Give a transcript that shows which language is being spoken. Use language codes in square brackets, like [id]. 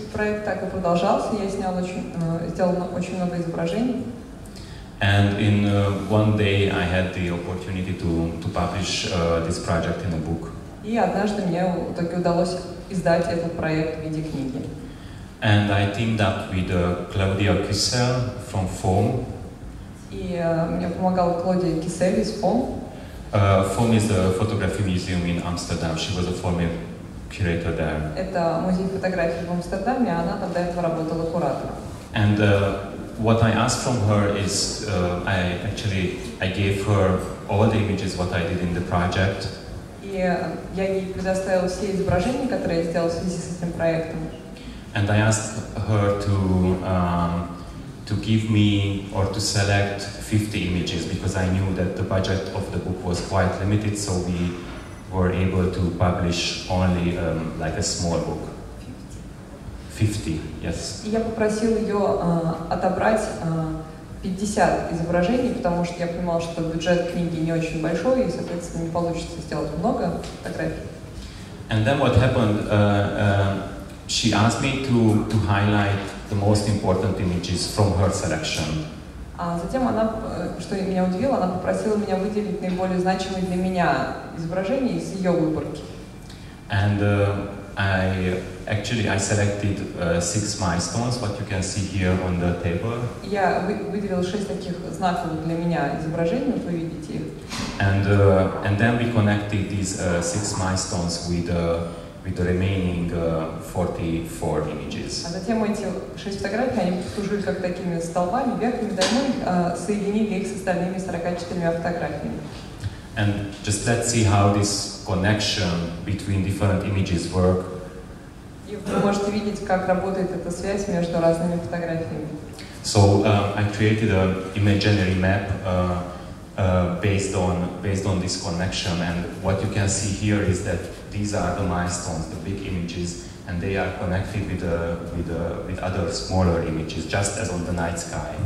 [ru] И проект так и продолжался. Я сделал очень много изображений. [en] And in one day, I had the opportunity to publish this project in a book. [ru] И однажды мне так и удалось издать этот проект в виде книги. [en] And I teamed up with Claudia Kissel from FOM. [ru] И мне помогала Клодия Кисель из FOM. [en] FOM is a photography museum in Amsterdam. She was a former curator there. [ru] Это музей фотографии в Амстердаме, она там до этого работала куратором. [en] And what I asked from her is, I gave her all the images what I did in the project. [ru] И я ей предоставил все изображения, которые я сделал в связи с этим проектом. [en] And I asked her to give me or to select 50 images, because I knew that the budget of the book was quite limited, so we were able to publish only like a small book. 50, yes. [ru] Я попросил ее отобрать 50 изображений, потому что я понимал, что бюджет книги не очень большой, и, соответственно, не получится сделать много фотографий. [en] And then what happened, she asked me to highlight the most important images from her selection. [ru] А затем она, что меня удивило, она попросила меня выделить наиболее значимые для меня изображения из ее выборки. [en] And I selected six milestones, what you can see here on the table. [ru] Я выделил шесть таких знаковых для меня изображений, вот вы видите их. [en] And then we connected these six milestones with the remaining 44 images. [ru] А затем эти шесть фотографий, они послужили как такими столбами, верхними, да, мы соединили их с остальными 44 фотографиями. [en] And just let's see how this connection between different images work. [ru] И вы можете видеть, как работает эта связь между разными фотографиями. [en] So I created an imaginary map based on this connection, and what you can see here is that these are the milestones, the big images, and they are connected with other smaller images, just as on the night sky.